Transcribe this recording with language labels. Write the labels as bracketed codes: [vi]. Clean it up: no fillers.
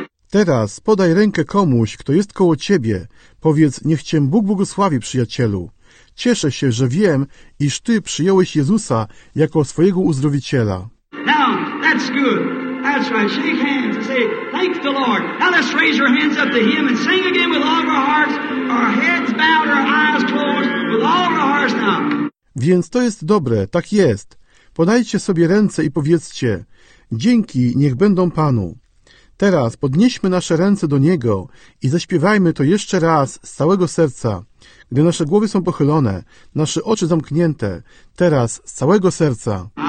[pl] Teraz podaj rękę komuś, kto jest koło Ciebie. Powiedz, niech Cię Bóg błogosławi, przyjacielu. Cieszę się, że wiem, iż Ty przyjąłeś Jezusa jako swojego uzdrowiciela. [en] Now, that's good. That's right. Shake hands and say, thank the Lord. Now let's raise your hands up to Him and sing again with all of our hearts. Our heads bowed, our eyes closed, with all of our hearts now. [pl] Więc to jest dobre, tak jest. Podajcie sobie ręce i powiedzcie, dzięki niech będą Panu. Teraz podnieśmy nasze ręce do Niego i zaśpiewajmy to jeszcze raz z całego serca. Gdy nasze głowy są pochylone, nasze oczy zamknięte, teraz z całego serca.